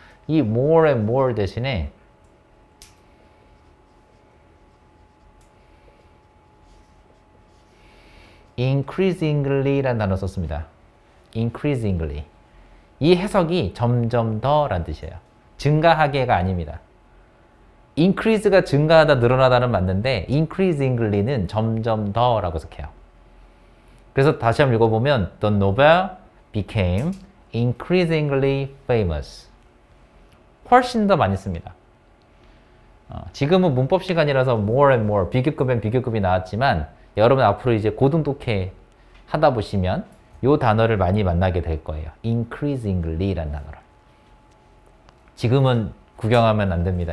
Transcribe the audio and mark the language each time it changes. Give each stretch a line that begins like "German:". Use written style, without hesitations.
Korean: 이
English: more and more
Korean: 대신에 increasingly 라는 단어 썼습니다. increasingly 이 해석이 점점 더 라는 뜻이에요. 증가하게가 아닙니다. increase가 증가하다 늘어나다는 맞는데 increasingly는 점점 더 라고 해석해요. 그래서 다시 한번 읽어보면
English: The Nobel became increasingly famous.
Korean: 훨씬 더 많이 씁니다. 지금은 문법 시간이라서
English: more and more,
Korean: 비교급 and 비교급이 나왔지만 여러분 앞으로 이제 고등독해 하다 보시면 이 단어를 많이 만나게 될 거예요. increasingly라는 단어를. 지금은 구경하면 안 됩니다.